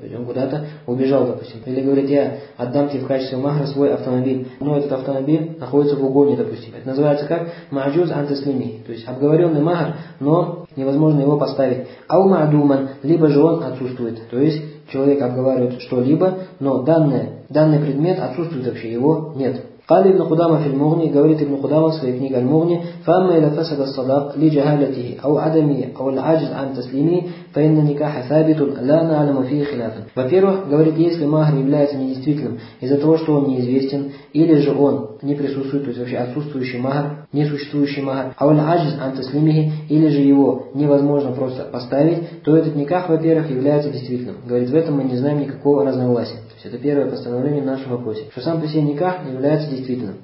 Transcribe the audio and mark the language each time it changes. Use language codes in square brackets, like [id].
[ru] То есть он куда-то убежал, допустим. Или говорит, я отдам тебе в качестве махра свой автомобиль, но этот автомобиль находится в угоне, допустим. Это называется как маджуз антаслими, то есть обговоренный махр, но невозможно его поставить. Ау маадуман, либо же он отсутствует, то есть человек обговаривает что-либо, но данный предмет отсутствует вообще, его нет. [ar] قال ابن قدامة في المغني [ru] говорит [ar] ابن قدامة في [ru] книге [ar] المغني فأما إذا فسد الصداق لجهالته أو عدمه أو العاجز عن تسليمه فإن никаха ثابت لا نعلم فيه خلافا. [ru] Во-первых, говорит, если махр является недействительным из-за того, что он неизвестен, или же он не присутствует, то есть вообще отсутствующий махр, несуществующий махр, а он аджиз ан таслимихи, или же его невозможно просто поставить, то этот никах, во-первых, является действительным. Говорит, в этом мы не знаем никакого разногласия. То есть это первое постановление в нашем вопросе, что сам по себе никах является действительным.